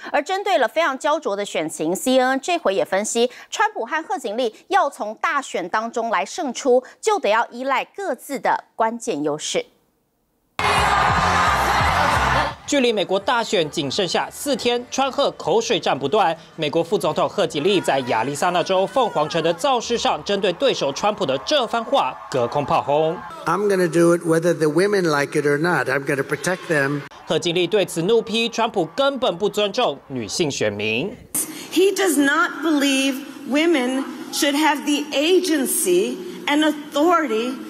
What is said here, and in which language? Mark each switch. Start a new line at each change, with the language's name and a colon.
Chinese: 而针对了非常焦灼的选情， CNN 这回也分析，川普和贺锦丽要从大选当中来胜出，就得要依赖各自的关键优势。距离美国大选仅剩下四天，川贺口水战不断。美国副总统贺锦丽在亚利桑那州凤凰城的造势上，针对对手川普的这番话隔空炮轰。
English: I'm going to do it whether the women like it or not. I'm going to protect them.
Chinese: 贺锦丽对此怒批川普根本不尊重女性选民。
English: He does not believe women should have the agency and authority.